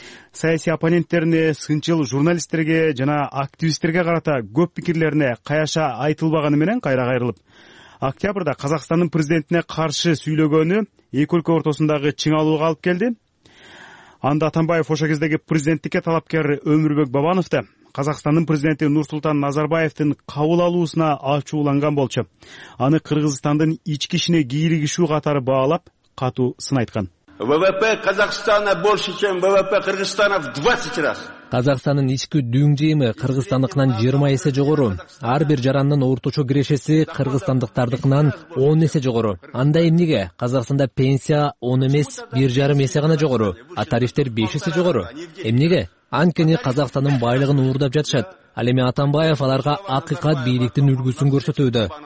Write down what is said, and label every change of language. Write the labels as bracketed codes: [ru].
[ky] Саясий оппоненттерине, сынчыл журналисттерге жана активисттерге карата көп пикирлерине каяша айтылбаганы менен кайра кайрылып, октябрда Казакстандын президентине каршы сүйлөгөнү эки өлкө ортосундагы чыңалууга алып келди. Анда Атамбаев ошо кездеги президенттикке талапкер Өмүрбек Бабановду Казакстандын президенти Нурсултан Назарбаевдин кабыл алуусуна ачууланган болчу. Аны Кыргызстандын ички ишине кийлигишүү катары баалап, катуу сын айткан. [ru] ВВП Казахстана больше, чем ВВП Кыргызстана в 20 раз. [ky] Казахстандын ички дүйүм жыйымы Кыргызстандыкынан 20 эсе жогору. Ар бир жарандын орточо кирешеси Кыргызстандыктардыкынан 10 эсе жогору. Анда эмнеге? Казахстанда пенсия 10 эмес, 1.5 эсе гана жогору, а тарифтер 5 эсе жогору. Эмнеге? Анткени Казахстандын байлыгын уурдап жатышат. Ал эми Атамбаев аларга акыйкат бийликтин үлгүсүн көрсөтүүдө.